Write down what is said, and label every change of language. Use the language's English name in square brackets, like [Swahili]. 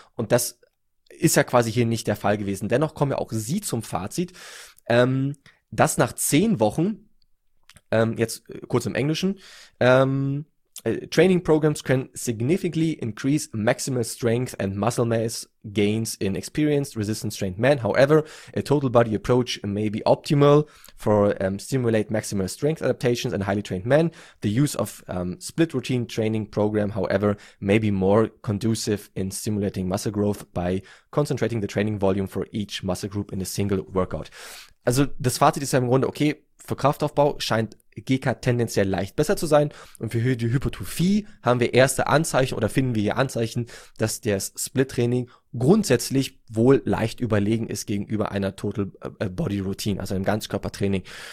[German] Und das ist ja quasi hier nicht der Fall gewesen. Dennoch kommen ja auch Sie zum Fazit, dass nach 10 Wochen, jetzt kurz im Englischen, [English] Training programs can significantly increase maximal strength and muscle mass gains in experienced resistance trained men. However, a total body approach may be optimal for stimulate maximal strength adaptations in highly trained men. The use of split routine training program, however, may be more conducive in stimulating muscle growth by concentrating the training volume for each muscle group in a single workout. [German] Also, das Fazit ist ja im Grunde, okay, für Kraftaufbau scheint GK tendenziell leicht besser zu sein. Und für die Hypertrophie haben wir erste Anzeichen oder finden wir hier Anzeichen, dass das Split-Training grundsätzlich wohl leicht überlegen ist gegenüber einer Total-Body-Routine, also einem Ganzkörpertraining.